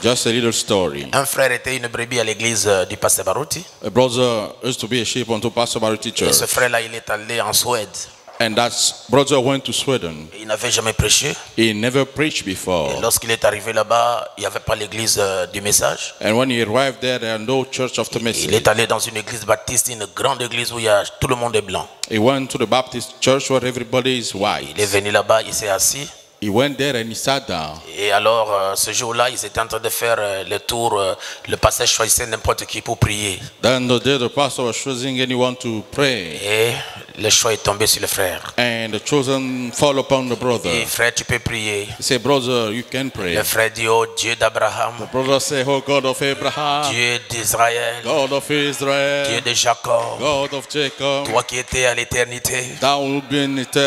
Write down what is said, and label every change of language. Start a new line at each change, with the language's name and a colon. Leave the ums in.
French: Un frère était une brebis à l'église du pasteur Baruti.
English: A brother used to be a sheep Pastor
French: Et ce frère-là, il est allé en Suède.
English: And that brother went to Sweden.
French: Il n'avait jamais prêché.
English: He never preached before.
French: Et lorsqu'il est arrivé là-bas, il n'y avait pas l'église du message.
English: And when he arrived there, there no church of the message.
French: Il est allé dans une église baptiste, une grande église où il y a, tout le monde est blanc.
English: He went to the Baptist church where everybody is white.
French: Il est venu là-bas, il s'est assis.
English: He went there and he sat down.
French: Et alors, ce jour-là, ils étaient en train de faire le tour. Le passage choisissait n'importe qui pour prier.
English: Then the day the pastor was choosing anyone to pray.
French: Et le choix est tombé sur le frère.
English: And the chosen fall upon the brother.
French: Et frère, tu peux prier.
English: He say, brother, you can pray.
French: Le frère dit, oh Dieu d'Abraham.
English: The brother say, oh God of Abraham.
French: Dieu d'Israël.
English: God of Israel.
French: Dieu de Jacob.
English: God of Jacob.
French: Toi qui étais à l'éternité.
English: Thou wilt be in eternity.